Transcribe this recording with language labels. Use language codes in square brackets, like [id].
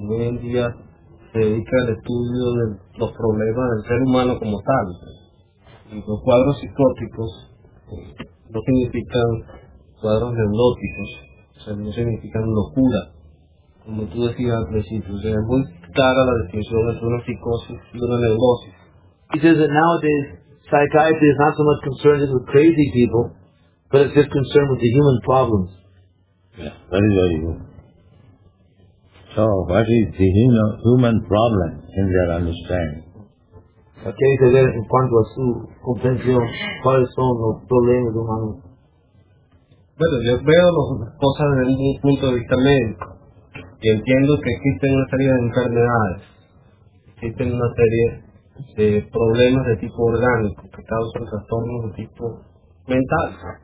[es] Hoy en día se dedica al estudio de los problemas del ser humano como tal. Y los cuadros psicóticos no significan cuadros neuróticos. O sea, no significan locura, como tú decías al principio. O sea, es muy clara la distinción entre una psicosis y una neurosis. [en] He says that nowadays psychiatry is not so much concerned with crazy people, but it's just concerned with the human problems. Yeah, very, very good. So, what is the human problem in their understanding? [es] ¿A qué hay que ver en cuanto a su comprensión? ¿Cuáles son los problemas humanos? Bueno, yo veo las cosas desde un punto de vista médico. Y entiendo que existen una serie de enfermedades. Existen una serie de problemas de tipo orgánico que causan trastornos de tipo mental.